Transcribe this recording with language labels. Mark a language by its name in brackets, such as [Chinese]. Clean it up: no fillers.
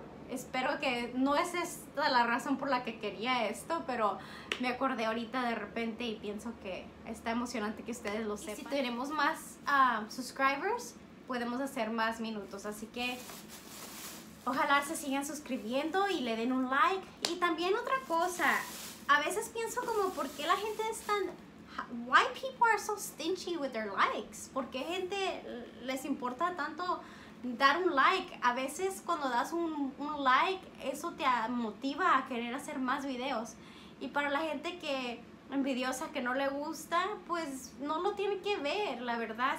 [Spanish] espero que no es esta la razón por la que quería esto, pero me acordé ahorita de repente y pienso que está emocionante que ustedes lo sepan. Y si tenemos más subscribers, podemos hacer más minutos, así que ojalá se sigan suscribiendo y le den un like. Y también otra cosa, a veces pienso como, ¿por qué la gente es tan... [English] Why people are so stingy with their likes? [Spanish] ¿Por qué gente les importa tanto dar un like? A veces cuando das un like, eso te motiva a querer hacer más videos. Y para la gente que envidiosa, que no le gusta, pues no lo tienen que ver, la verdad.